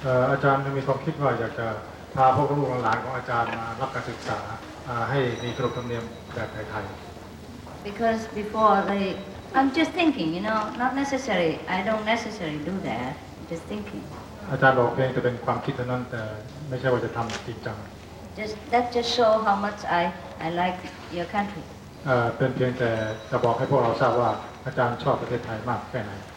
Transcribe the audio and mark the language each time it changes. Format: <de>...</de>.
<th>อาจารย์มีความคิดว่าอยากจะพาพวกลูกหลานของอาจารย์มารับการศึกษาให้มีขนบธรรมเนียมแบบไทย</th> <en>ๆ Because before I'm just thinking you know not necessary I don't necessarily do that just thinking</en> <th>อาจารย์บอกเพียงจะเป็นความคิดเท่านั้นแต่ไม่ใช่ว่าจะทำจริงจัง</th> <en>Just that just show how much I like your country</en> <th>เป็นเพียงแต่จะบอกให้พวกเราทราบว่าอาจารย์ชอบประเทศไทยมากแค่ไหน</th>